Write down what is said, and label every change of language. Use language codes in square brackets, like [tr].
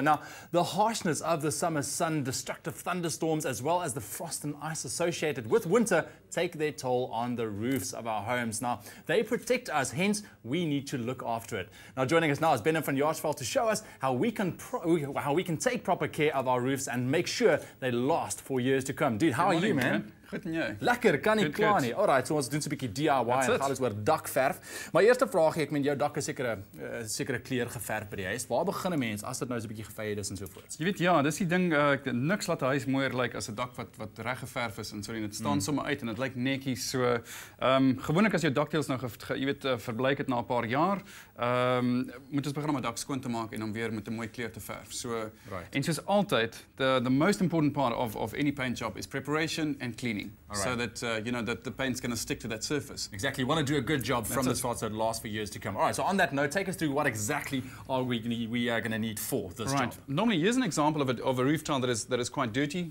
[en] Now, the harshness of the summer sun, destructive thunderstorms, as well as the frost and ice associated with winter, take their toll on the roofs of our homes. Now, they protect us, hence, we need to look after it. Now, joining us now is Benham van Jaarsveld to show us how we can take proper care of our roofs and make sure they last for years to come. Dude, how are you, man? [af] Goed en jou. Lekker, kan nie kla nie. Alright, so ons doen so 'n bietjie DIY en gaan ons oor dakverf. My eerste vraag, ek meen jou dak is sekere kleur geverf by die huis. Waar begin 'n mens as dit nou so 'n bietjie geveier is en so voort? Jy weet ja, dis die ding, niks laat 'n huis mooier lyk as 'n dak wat reg geverf is en so, en dit staan sommer uit en dit lyk netjies. So, gewoonlik as jou dakteels nou verbleik het na 'n paar jaar, moet ons begin om 'n dak skoon te maak en om weer met 'n mooi kleur te verf. So, [en] right. [af] En soos altyd, [en] the most important part of any paint job is preparation and cleaning. Right. So that you know that the paint's going to stick to that surface. Exactly. You want to do a good job from the start, so it lasts for years to come. All right. So on that note, take us through what exactly are we gonna, we are going to need for this right. job. Right. Normally, here's an example of a roof tile that is quite dirty.